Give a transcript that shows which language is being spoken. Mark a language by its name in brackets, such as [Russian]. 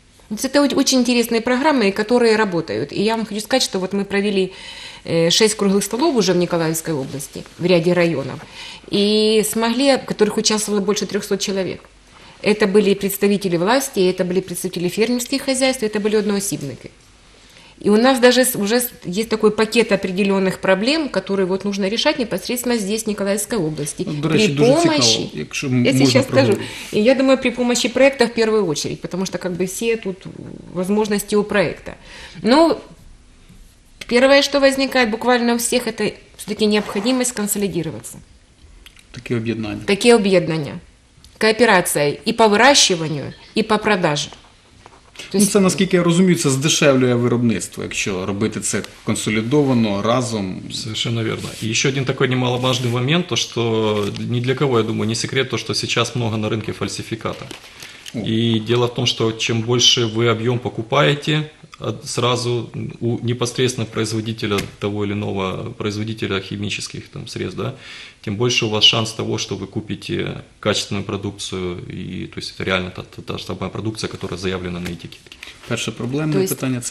[Russian] Это очень интересные программы, которые работают. И я вам хочу сказать, что вот мы провели 6 круглых столов уже в Николаевской области, в ряде районов, и смогли, в которых участвовало больше 300 человек. Это были представители власти, это были представители фермерских хозяйств, это были одноосебники. И у нас даже уже есть такой пакет определенных проблем, которые вот нужно решать непосредственно здесь, в Николаевской области. [Ukrainian] До речи, [Russian] при помощи, [Ukrainian] дуже цікаво, якщо можна [Russian] сейчас проводить. Скажу, и я думаю, при помощи проекта в первую очередь, потому что как бы все тут возможности у проекта. Но первое, что возникает буквально у всех, это все-таки необходимость консолидироваться. Такие объединения. Кооперация и по выращиванию, и по продаже. [Ukrainian] Ну, це, наскільки я розумію, це здешевлює виробництво, якщо робити це консолідовано, разом. [Russian] Совершенно верно. [Ukrainian] І ще один такий немаловажний момент, то, що ні для кого, я думаю, не секрет, то, що зараз багато на ринку фальсифікатів. І діло в тому, що чим більше ви об'єм покупаєте, [Russian] сразу у непосредственно производителя того или иного, производителя химических там, средств, да, тем больше у вас шанс того, что вы купите качественную продукцию, и, то есть это реально та же самая продукция, которая заявлена на этикетке. Первое проблемное питание –